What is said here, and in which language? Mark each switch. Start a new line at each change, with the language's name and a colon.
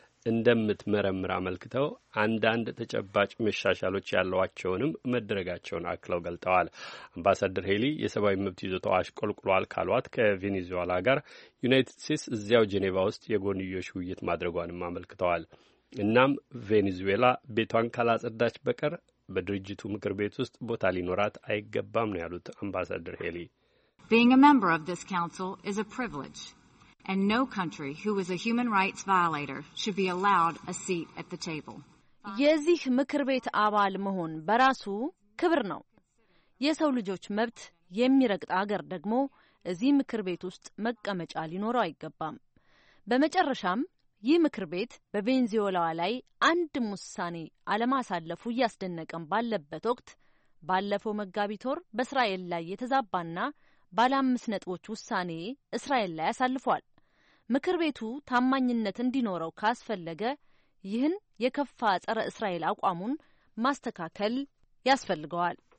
Amharic: እንደምትመረምር አመልክተው አንዳንድ ተጨባጭ መሻሻሎች ያሏቸውንም መደረጋቸውን አክለው ገልጠዋል። አምባሳደር ሄሊ የሰብአዊ መብት ይዞታው አሽቆልቁሏል ካሏት ከቬኔዙዌላ ጋር ዩናይትድ ስቴትስ እዚያው ጄኔቫ ውስጥ የጎንዮሽ ውይይት ማድረጓንም አመልክተዋል። እናም ቬኔዙዌላ ቤቷን ካላጸዳች በቀር በድርጅቱ ምክር ቤት ውስጥ ቦታ ሊኖራት አይገባም ነው ያሉት አምባሳደር ሄሊ።
English: Being a member of this council is a privilege. And no country who is a human rights violator should be allowed a seat at the table.
Amharic: የዚህ ምክር ቤት አባል መሆን በራሱ ክብር ነው። የሰው ልጆች መብት የሚረግጥ አገር ደግሞ እዚህ ምክር ቤት ውስጥ መቀመጫ ሊኖረው አይገባም። በመጨረሻም ይህ ምክር ቤት በቬንዙዌላ ላይ አንድ ውሳኔ አለማሳለፉ ያስደነቀን ባለበት ወቅት ባለፈው መጋቢት ወር በእስራኤል ላይ የተዛባና ባለአምስት ነጥቦች ውሳኔ እስራኤል ላይ አሳልፏል። ምክር ቤቱ ታማኝነት እንዲኖረው ካስፈለገ ይህን የከፋ ጸረ እስራኤል አቋሙን ማስተካከል ያስፈልገዋል።